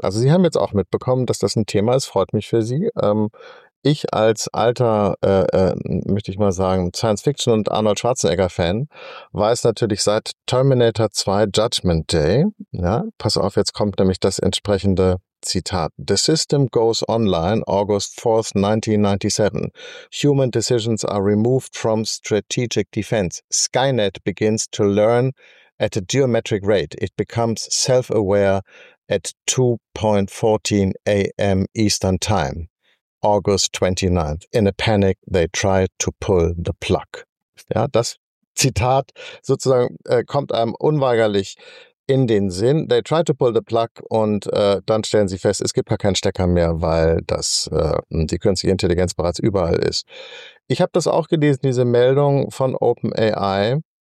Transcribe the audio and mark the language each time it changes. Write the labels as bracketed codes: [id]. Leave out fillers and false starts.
[de] Also Sie haben jetzt auch mitbekommen, dass das ein Thema ist, freut mich für Sie. Ich als alter, möchte ich mal sagen, Science-Fiction- und Arnold Schwarzenegger-Fan weiß natürlich seit Terminator 2 Judgment Day, ja, pass auf, jetzt kommt nämlich das entsprechende Zitat, [en] the system goes online August 4th, 1997. Human decisions are removed from strategic defense. Skynet begins to learn at a geometric rate. It becomes self-aware at 2.14 a.m. Eastern Time, August 29th. In a panic, they try to pull the plug. [de] Ja, das Zitat sozusagen kommt einem unweigerlich in den Sinn. [en] They try to pull the plug [de] und dann stellen sie fest, es gibt gar keinen Stecker mehr, weil das die künstliche Intelligenz bereits überall ist. Ich habe das auch gelesen, diese Meldung von OpenAI.